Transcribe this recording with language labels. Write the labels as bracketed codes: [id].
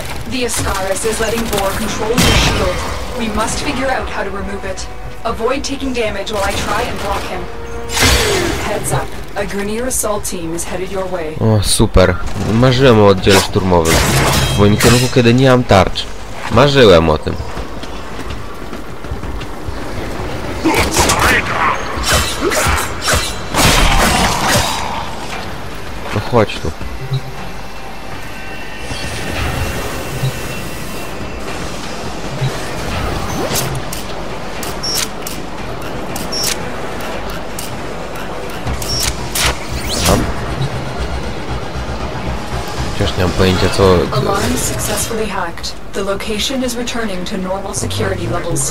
[en] The Ascaris is letting Bor control your shield. We must figure out how to remove it. Avoid taking damage while I try and block him. Heads up, a Grenier assault team is headed your way. [pl] O, super. Marzyłem o oddziale szturmowym. W moim kierunku, kiedy nie mam tarcz. Marzyłem o tym. Chodź tu. Tam? Chociaż nie mam pojęcia co... [en] Alarm successfully hacked. The location is returning to normal security levels.